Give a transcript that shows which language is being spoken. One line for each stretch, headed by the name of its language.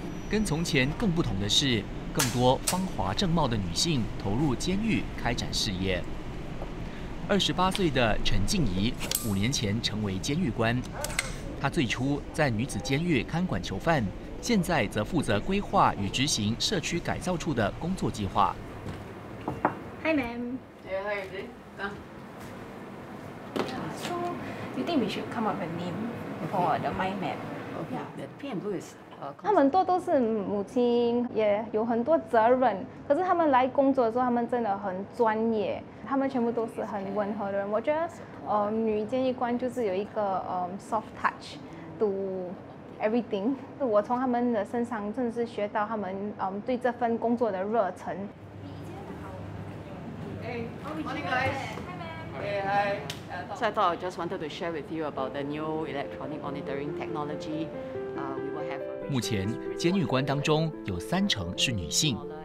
Chinese: 跟从前更不同的是，更多芳华正茂的女性投入监狱开展事业。 28岁的陈静怡5年前成为监狱官，她最初在女子监狱看管囚犯，现在则负责规划与执行社区改造处的工作计划。
English: Hi, ma'am. Yeah, how are you doing? Yeah, so you think we should come up a name for the mind map? Okay, the PM booth.
Chinese: 他们多都是母亲，也有很多责任，可是他们来工作的时候他们真的很专业，他们全部都是很温和的人。我觉得女监狱官就是有一个
English: soft touch to everything，
Chinese: 我从他们的身上真的是学到他们对这份工作的热忱。你今天好，哎，
English: Morning, guys. Hey, hi. So I thought I just wanted to share with you about the new electronic monitoring technology.
Chinese: 目前监狱官当中有三成是女性，